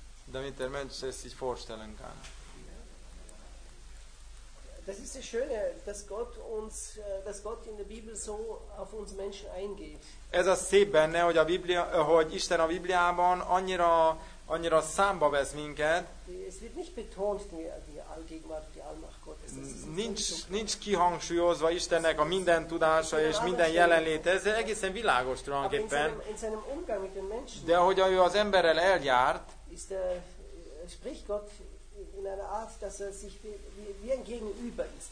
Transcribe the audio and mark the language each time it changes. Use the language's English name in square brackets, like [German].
[German] Damit der Mensch es sich vorstellen kann. Das ist das Schöne, dass Gott in der Bibel so auf uns Menschen eingeht. [Hungarian] Ez a szép benne, hogy a Biblia, hogy Isten a Bibliában annyira számba vesz minket. [German] Es wird nicht betont die Allgegenwart, die Allmacht Gottes. [Hungarian] Nincs kihangsúlyozva Istennek a minden tudása és minden jelenléte. Ez egészen világos tulajdonképpen. De ahogy ő az emberrel eljárt, [German] spricht Gott in einer Art, dass er sich wie ein Gegenüber ist.